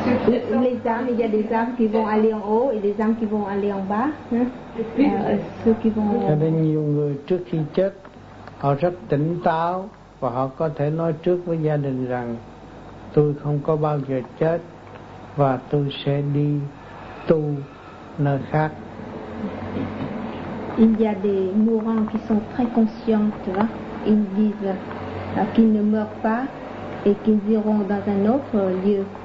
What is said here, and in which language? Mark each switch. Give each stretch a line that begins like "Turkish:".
French: Les âmes, il y a des âmes qui vont aller en haut et des âmes qui vont aller en bas. Ceux qui vont.
Vietnamese: Cho nên nhiều người trước khi chết, họ rất tỉnh táo và họ có thể nói trước với gia đình rằng, tôi không có bao giờ chết và tôi sẽ đi tu nơi khác.
French: Il y a des mourants qui sont très conscients, tu vois. Ils disent qu'ils ne meurent pas et qu'ils iront dans un autre lieu.